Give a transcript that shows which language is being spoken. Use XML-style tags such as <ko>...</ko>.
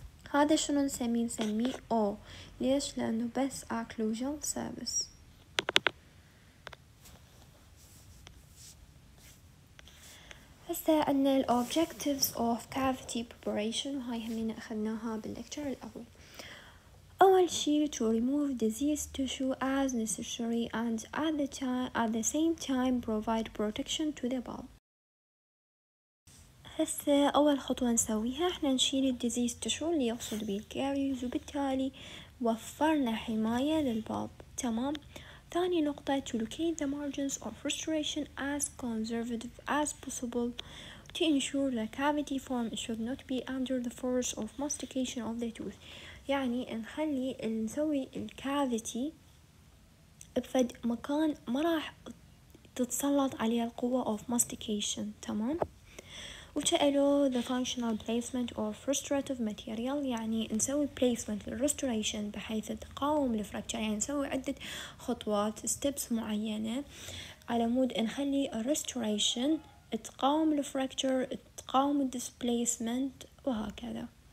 <ar>هذا شنو نسميه؟ نسميه او. ليش؟ لانه بس اوكلوجال سيرفيس. هسه عندنا ال</ar> <en>objectives of cavity preparation،</en> <ar>وهاي همين أخذناها باللكتشر الأول. أول شيء</ar> <en>to remove diseased tissue as necessary and at the same time provide protection to the bulb.</en> <ar>هسه أول خطوة نسويها إحنا نشيل diseased tissue اللي يقصد به الكاريز، وبالتالي وفرنا حماية للبالب، تمام. ثاني نقطة</ar> <en>to locate the margins of restoration as conservative as possible to ensure the cavity form should not be under the force of mastication of the tooth.</en> <ar>يعني نخلي نسوي الكافيتي بفد مكان ما راح تتسلط عليها القوة</ar> <en>of mastication،</en> <ar>تمام. وتألو</ar> <en>the functional placement of restorative material،</en> <ar>يعني نسوي placement للrestoration بحيث تقاوم الفراكتشر، يعني نسوي عدة خطوات steps معينة على مود نخلي restoration تقاوم الفراكتشر، تقاوم displacement، وهكذا.</ar>